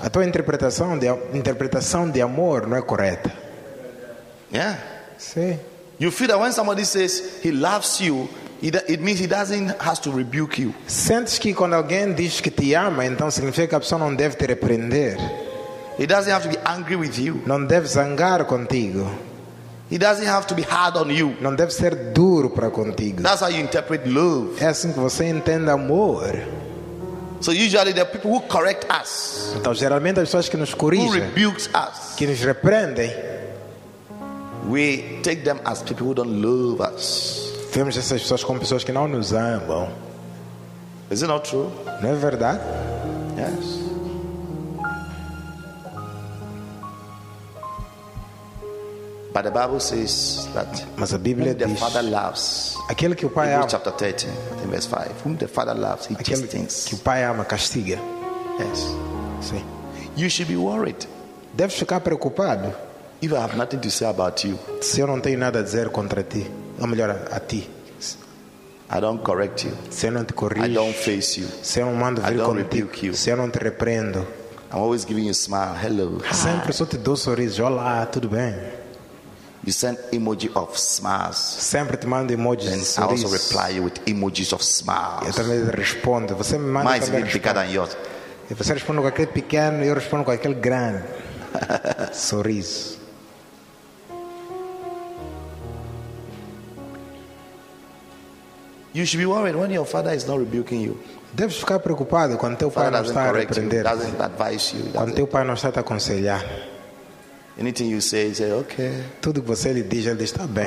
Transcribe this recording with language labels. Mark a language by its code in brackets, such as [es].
[pt] A tua interpretação de amor não é correta. [en] Yeah. See. You feel that when somebody says he loves you, it means he doesn't has to rebuke you. [pt] Sentes que quando alguém diz que te ama, então significa que a pessoa não deve te repreender. [en] He doesn't have to be angry with you. [pt] Não deve zangar contigo. [en] He doesn't have to be hard on you. [pt] Não deve ser duro para contigo. [en] That's how you interpret love. [pt] É assim que você entende amor. [en] So usually the people who correct us. [pt] Então geralmente as pessoas que nos corrigem. [en] Who rebukes us. [pt] Que nos repreendem. [en] We take them as people who don't love us. [pt] Vemos essas pessoas como pessoas que não nos amam. [en] Is it not true? [pt] Não é verdade? [en] Yes. But the Bible says that [pt] mas a Bíblia [en] whom the [pt] diz, [en] Father loves, [pt] aquele que o pai ama, [en] chapter 13, I think verse 5, whom the Father loves, he chastens. [pt] Que o pai ama, castiga. [en] Yes. [pt] Sim. [en] You should be worried. [pt] Deve ficar preocupado. [en] If I have nothing to say about you. [pt] Se eu não tenho nada a dizer contra ti, ou melhor, a ti. [en] I don't correct you. [pt] Se eu não te corrijo. [en] I don't face you. [pt] Se eu não mando vir [en] I don't [pt] contigo, [en] rebuke you. [pt] Se eu não te repreendo. [en] I'm always giving you a smile. Hello. [pt] Sempre só te dou um sorriso. Olá, tudo bem. [en] You send emoji of smiles. [pt] Sempre te mando emojis de sorriso. [en] I also reply you with emojis of smiles. [pt] Eu também respondo. Você me manda mais também picada em yours. E você responde com aquele pequeno e eu respondo com aquele grande sorriso. [en] You should be worried when your father is not rebuking you. [pt] Deves ficar preocupado quando teu pai não está a repreender. Quando teu pai não está a aconselhar. [en] Anything you say, he say okay. [pt] Tudo que você lhe diz, ele está bem.